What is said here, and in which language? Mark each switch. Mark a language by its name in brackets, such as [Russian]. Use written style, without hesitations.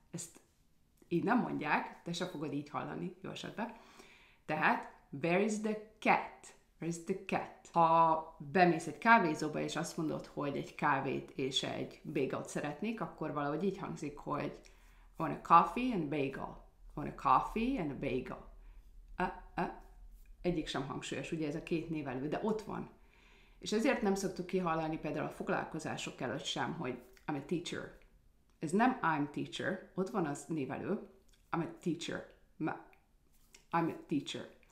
[Hungarian] Ezt így nem mondják, te se fogod így hallani, jó esetben. Tehát [English] where is the cat? Where's the cat? [Hungarian] Ha bemész egy kávézóba, és azt mondod, hogy egy kávét és egy bagelt szeretnék, akkor valahogy így hangzik, hogy [English] I want a coffee and a bagel. I want a coffee and a bagel. [Hungarian] Egyik sem hangsúlyos, ugye ez a két név elő, de ott van. És ezért nem szoktuk kihallani például a foglalkozások előtt sem, hogy [English] I'm a teacher. [Hungarian] Ez nem [English] I'm teacher, [Hungarian] ott van az név elő. [English] I'm a teacher. I'm a teacher.